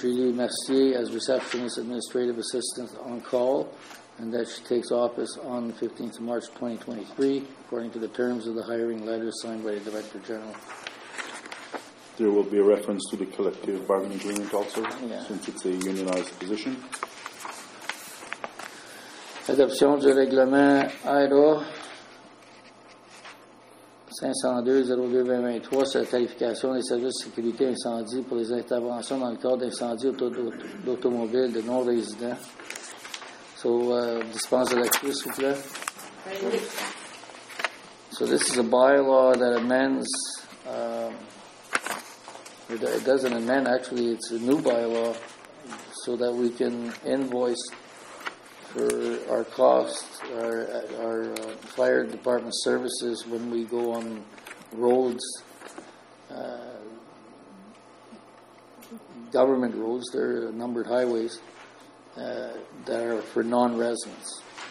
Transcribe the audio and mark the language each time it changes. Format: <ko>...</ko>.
<en>Julie Mercier as receptionist administrative assistant on call and that she takes office on the 15th of March 2023 according to the terms of the hiring letter signed by the Director General. There will be a reference to the collective bargaining agreement also since it's a unionized position.</en> <fr>Adoption du règlement AIDA 502-02-2023 sur la tarification des services de sécurité incendie pour les interventions dans le cadre d'incendie d'automobiles de non-résidents. So, dispense de la clé, s'il vous plaît.</fr> <en>So, this is a bylaw that amends, it doesn't amend, actually, it's a new bylaw so that we can invoice for our costs, our fire department services when we go on roads, government roads, they're numbered highways that are for non-residents.</en>